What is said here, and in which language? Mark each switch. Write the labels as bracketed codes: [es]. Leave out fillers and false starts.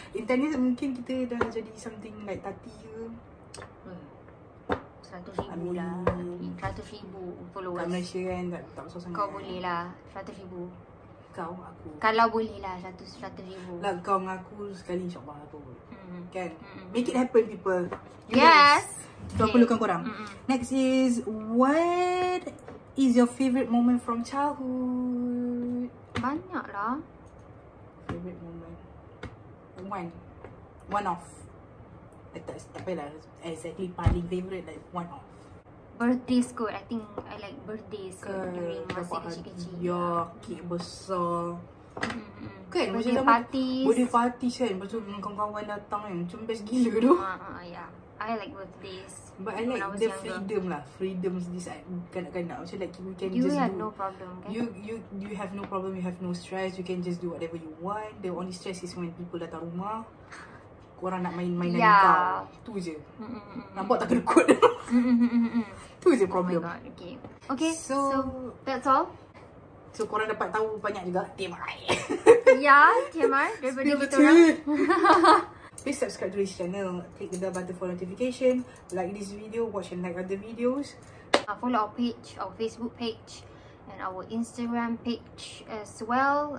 [ms] Intinya mungkin kita dah jadi [en] something like [ms] Tati ke. RM100,000 lah. RM100,000 followers. Kat Malaysia kan tak besar sangat. Kau boleh lah. RM100,000. Kau, aku. Kalau boleh lah RM100,000. Lah kau dengan aku sekali insyaAllah aku. [en] Kan? Make it happen people. Yes. [ms] Kau okay. Perlukan korang. [en] Next is, what is your favourite moment from childhood? [ms] Banyak lah. [en] Favourite moment. One off. [ms] Tak payah lah. [en] Exactly paling favourite, like one off. Birthdays kot. I think I like birthdays during [ms] masa kecil-kecil. Ya, kek besar. Kan [en] macam birthday parties. [ms] Birthday parties kan. Lepas tu kawan-kawan datang kan. Macam best gila tu. [en] I like birthdays. But I like the freedom lah. Freedom this kanak-kanak. Macam like you can you just do. You have no problem. Kan? You have no problem. You have no stress. You can just do whatever you want. The only stress is when people [ms] datang rumah. Korang nak main-main dengan kau. Tu je. Nampak tak kedekut. Tu je problem. [en] Oh my god. Okay. So that's all. [ms] So korang dapat tahu banyak juga TMI. TMI. Daripada kita orang. [en] Please subscribe to this channel, click the bell button for notification, like this video, watch and like other videos. Follow our page, our Facebook page and our Instagram page as well.